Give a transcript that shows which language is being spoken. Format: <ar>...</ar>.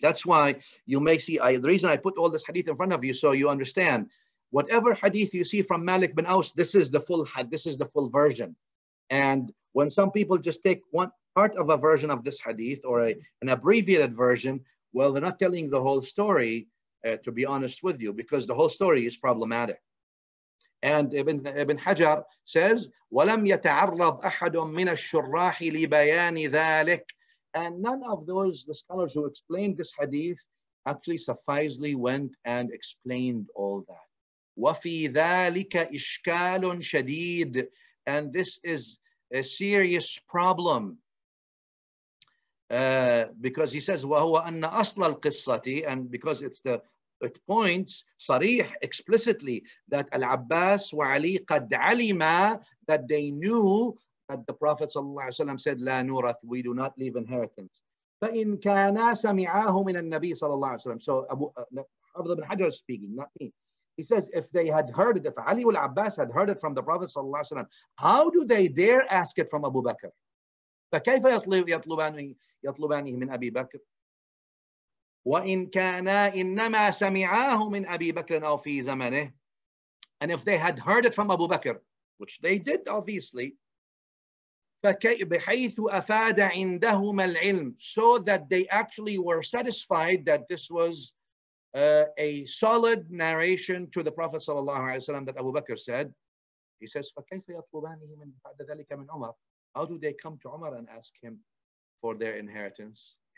<en>That's why you may see, the reason I put all this hadith in front of you so you understand, whatever hadith you see from Malik bin Aus, this is the full hadith, this is the full version. And when some people just take one part of a version of this hadith or an abbreviated version, well, they're not telling the whole story, to be honest with you, because the whole story is problematic. And Ibn Hajar says,</en> <ar>وَلَمْ يَتَعَرَّضْ أَحَدٌ مِنَ الشُّرَّاحِ لِبَيَانِ ذَلِكَ.</ar> <en>And none of those, the scholars who explained this hadith, actually sufficiently went and explained all that.</en> <ar>وَفِي ذَلِكَ إِشْكَالٌ شَدِيدٌ.</ar> <en>And this is a serious problem. Because he says,</en> <ar>وَهُوَ أَنَّ أَصْلَ الْقِصَّةِ.</ar> <en>And because it points صريح explicitly that</en> <ar>Al-Abbas wa Ali qad alima,</ar> <en>that they knew that the Prophet sallallahu alaihi wasallam said</en> <ar>la nurath,</ar> <en>we do not leave inheritance.</en> <ar>فَإِنْ كَانَا سَمِعَاهُ مِنَ النَّبِي صَلَّى اللَّهُ عَلَيْهِ وَسَلَّمَ.</ar> <en>So Abu Ibn Hajar speaking, not me. He says if they had heard it, if Ali al-Abbas had heard it from the Prophet sallallahu alaihi wasallam, how do they dare ask it from Abu Bakr?</en> <ar>فَكَيْفَ يَطْلُبَانِهِ مِنْ أَبِي بَكْرِ. وَإِنْ كَانَا إِنَّمَا سَمِعَاهُ مِنْ أَبِي بَكْرٍ أَوْ فِي زَمَنِهِ.</ar> <en>And if they had heard it from Abu Bakr, which they did, obviously,</en> <ar>بِحَيْثُ أَفَادَ عِنْدَهُمَ الْعِلْمِ,</ar> <en>so that they actually were satisfied that this was a solid narration to the Prophet صلى الله عليه وسلم that Abu Bakr said. He says,</en> <ar>فَكَيْفَ يَطْلُبَانِهِ مِنْ بَعْدَ ذَلِكَ مِنْ عُمَرٍ.</ar> <en>How do they come to Umar and ask him for their inheritance?</en>